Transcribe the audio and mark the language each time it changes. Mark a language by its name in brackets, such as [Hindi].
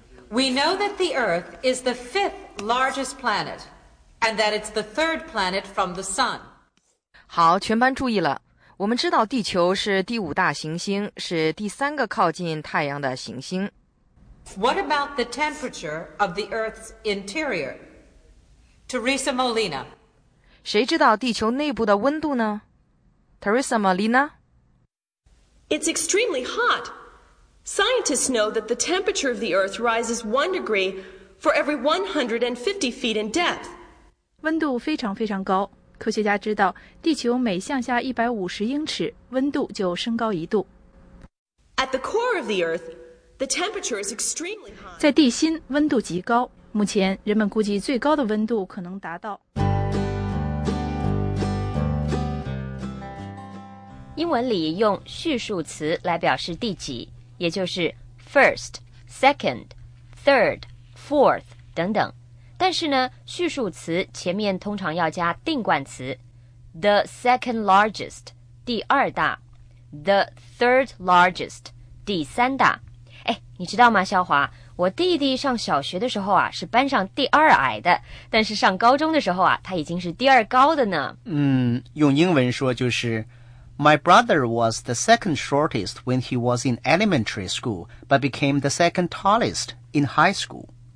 [English] We know that the Earth is the fifth largest planet, and that it's the third planet from the sun. [Chinese] 好，全班注意了。我们知道地球是第五大行星，是第三个靠近太阳的行星。 [English] What about the temperature of the Earth's interior? Teresa Molina. [Chinese] 谁知道地球内部的温度呢? [English] Teresa Molina? It's extremely hot. Scientists know that the temperature of the Earth rises 1 degree for every 150 feet in depth. [Chinese] 温度非常非常高。科学家知道地球每向下150英尺,温度就升高一度。 [English] At the core of the Earth,The temperature is extremely high. [Chinese] 在地心温度极高，目前人们估计最高的温度可能达到。英文里用序数词来表示第几，也就是 [English] first, second, third, fourth [Chinese] 等等。但是呢，序数词前面通常要加定冠词 ， [English] the second largest [Chinese] 第二大 ， [English] the third largest [Chinese] 第三大。你知道吗，肖华，我弟弟上小学的时候啊，是班上第二矮的，但是上高中的时候啊，他已经是第二高的呢。嗯，用英文说就是 [English] My brother was the second shortest when he was in elementary school, but became the second tallest in high school.